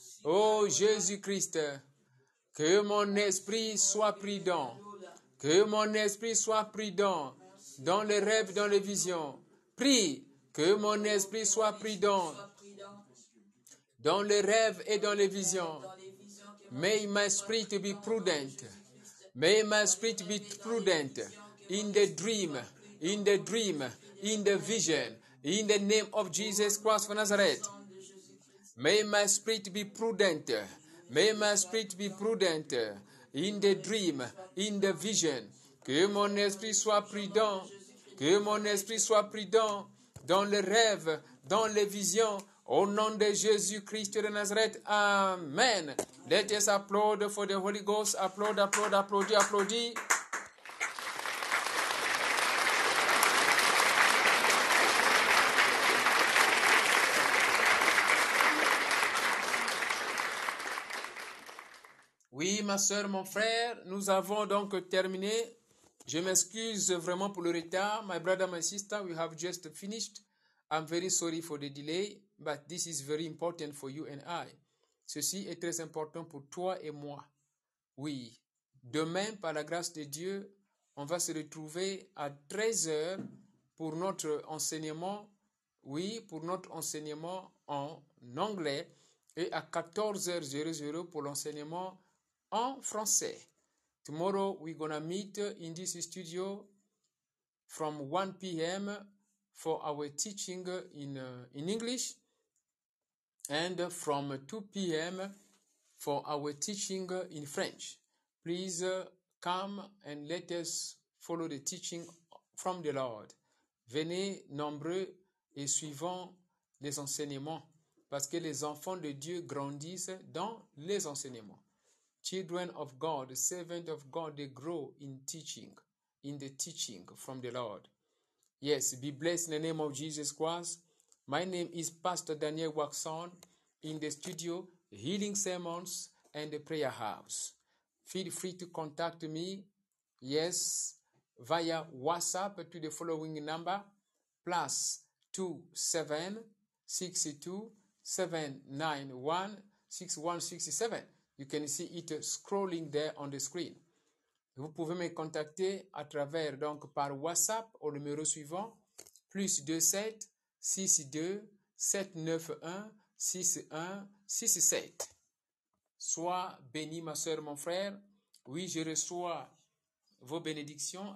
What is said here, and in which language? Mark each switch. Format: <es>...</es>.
<fr>Oh Jésus-Christ, que mon esprit soit prudent, que mon esprit soit prudent dans les rêves, dans les visions. Prie que mon esprit soit prudent dans les rêves et dans les visions.</fr> <en>May my spirit be prudent. May my spirit be prudent in the dream, in the dream, in the vision, in the name of Jesus Christ of Nazareth. May my spirit be prudent. May my spirit be prudent in the dream, in the vision.</en> <fr>Que mon esprit soit prudent. Que mon esprit soit prudent dans les rêves, dans les visions. Au nom de Jésus-Christ de Nazareth. Amen.</fr> <en>Let us applaud for the Holy Ghost. Applaud, applaud,</en> <fr>applaudis, applaudis. Oui, ma soeur, mon frère, nous avons donc terminé. Je m'excuse vraiment pour le retard.</fr> <en>My brother, my sister, we have just finished. I'm very sorry for the delay, but this is very important for you and I.</en> <fr>Ceci est très important pour toi et moi. Oui, demain, par la grâce de Dieu, on va se retrouver à 13h pour notre enseignement. Oui, pour notre enseignement en anglais. Et à 14h00 pour l'enseignement en français.</fr> <en>Tomorrow we're gonna meet in this studio from 1 p.m. for our teaching in English and from 2 p.m. for our teaching in French. Please come and let us follow the teaching from the Lord.</en> <fr>Venez nombreux et suivons les enseignements parce que les enfants de Dieu grandissent dans les enseignements.</fr> <en>Children of God, servants of God, they grow in teaching, in the teaching from the Lord. Yes, be blessed in the name of Jesus Christ. My name is Pastor Daniel Waxon in the studio, Healing Sermons and the Prayer House. Feel free to contact me, yes, via WhatsApp to the following number, +27 62 791 6167. You can see it scrolling there on the screen.</en> <fr>Vous pouvez me contacter à travers, donc par WhatsApp au numéro suivant, +27 62 791 6167. Sois béni, ma soeur, mon frère. Oui, je reçois vos bénédictions.</fr>